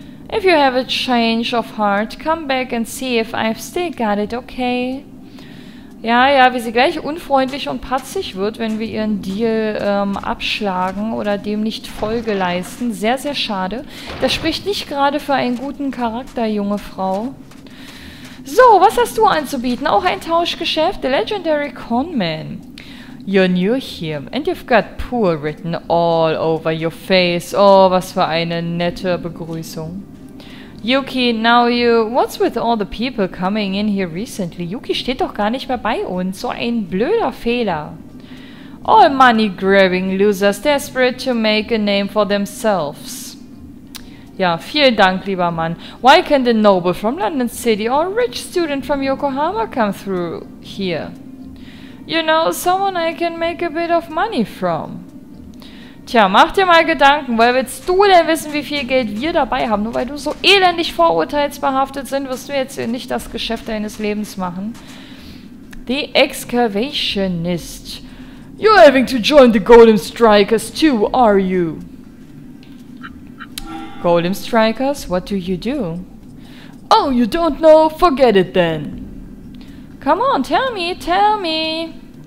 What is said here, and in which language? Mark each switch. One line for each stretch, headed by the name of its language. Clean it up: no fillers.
English: If you have a change of heart, come back and see if I've still got it, okay?
German: Ja, ja, wie sie gleich unfreundlich und patzig wird, wenn wir ihren Deal abschlagen oder dem nicht Folge leisten. Sehr, sehr schade. Das spricht nicht gerade für einen guten Charakter, junge Frau. So, was hast du anzubieten? Auch ein Tauschgeschäft?
English: The Legendary Conman. You're new here and you've got poor written all over your face.
German: Oh, was für eine nette Begrüßung.
English: Yuki, now you... What's with all the people coming in here recently?
German: Yuki steht doch gar nicht mehr bei uns. So ein blöder Fehler.
English: All money-grabbing losers desperate to make a name for themselves.
German: Ja, vielen Dank, lieber Mann.
English: Why can't a noble from London City or a rich student from Yokohama come through here? You know, someone I can make a bit of money from.
German: Tja, mach dir mal Gedanken, weil willst du denn wissen, wie viel Geld wir dabei haben? Nur weil du so elendig vorurteilsbehaftet sind, wirst du jetzt hier nicht das Geschäft deines Lebens machen.
English: The Excavationist. You're having to join the Golem Strikers too, are you? Golem Strikers? What do you do? Oh, you don't know? Forget it then. Come on, tell me, tell me.